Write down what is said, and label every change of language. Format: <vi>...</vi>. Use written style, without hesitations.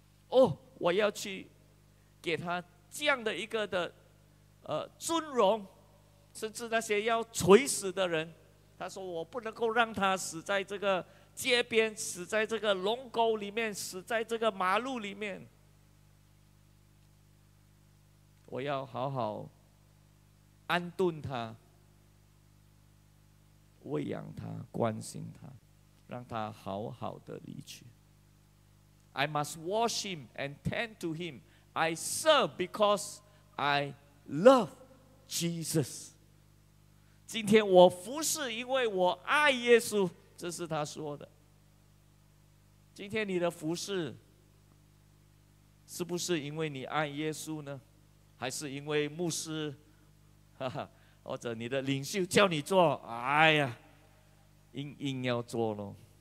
<zh>哦，我要去给他这样的一个的尊荣，甚至那些要垂死的人，他说我不能够让他死在这个街边，死在这个龙沟里面，死在这个马路里面，我要好好安顿他，喂养他，关心他，让他好好的离去。</zh> <en>I must wash him and tend to him, I serve because I love Jesus。</en> <zh>今天我服侍因为我爱耶稣，这是他说的。今天你的服侍是不是因为你爱耶稣呢？还是因为牧师或者你的领袖叫你做，哎呀硬要做咯。</zh>